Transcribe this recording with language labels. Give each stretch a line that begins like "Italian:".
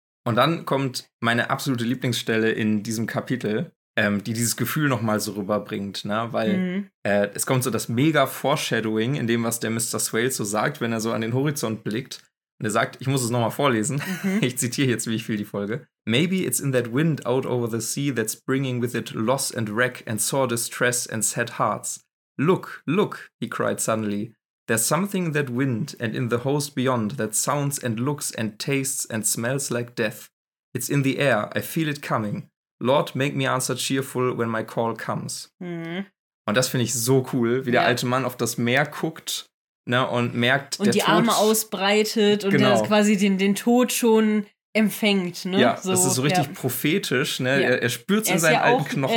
German: Und dann kommt meine absolute Lieblingsstelle in diesem Kapitel. Die dieses Gefühl noch mal so rüberbringt, ne? Weil es kommt so das mega Foreshadowing in dem, was der Mr. Swale so sagt, wenn er so an den Horizont blickt. Und er sagt, ich muss es noch mal vorlesen. Ich zitiere jetzt, wie ich viel die Folge.
English: Maybe it's in that wind out over the sea that's bringing with it loss and wreck and sore distress and sad hearts. Look, look, he cried suddenly. There's something in that wind and in the host beyond that sounds and looks and tastes and smells like death. It's in the air, I feel it coming. Lord, make me answer cheerful when my call comes.
German: Und das finde ich so cool, wie der alte Mann auf das Meer guckt, ne, und merkt, und der die Tod, Arme ausbreitet und der quasi den Tod schon empfängt. Ne? Ja, so, das ist so richtig prophetisch. Ne? Ja. Er spürt es in seinen alten Knochen.